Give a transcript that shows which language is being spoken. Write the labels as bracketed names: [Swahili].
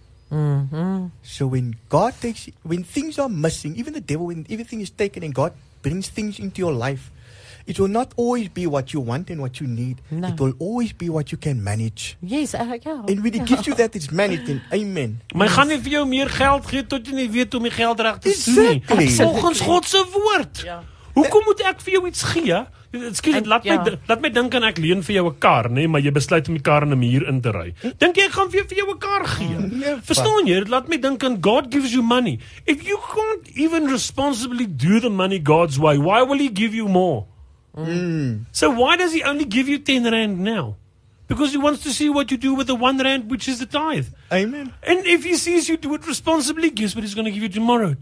[English] Mm-hmm. So when God takes, when things are missing, even the devil, when everything is taken and God brings things into your life, it will not always be what you want and what you need. No. It will always be what you can manage. Yes, and when it gives you that, it's managed. And amen. [Afrikaans] Maar gaan nie vir jou meer geld gee tot jy nie weet hoe my geld reg te sien nie. Volgens God se woord. Hoekom moet ek vir jou iets gee? Laat my dink aan ek leen vir jou 'n kar, nê, maar jy besluit om die kar in 'n muur in te ry. Dink jy ek gaan vir jou 'n kar gee? Verstaan jy? Laat my dink aan [English] God gives you money. If you can't even responsibly do the money God's way, why will he give you more? So why does he only give you 10 rand now? Because he wants to see what you do with the 1 rand, which is the tithe. Amen. And if he sees you do it responsibly, guess what he's going to give you tomorrow?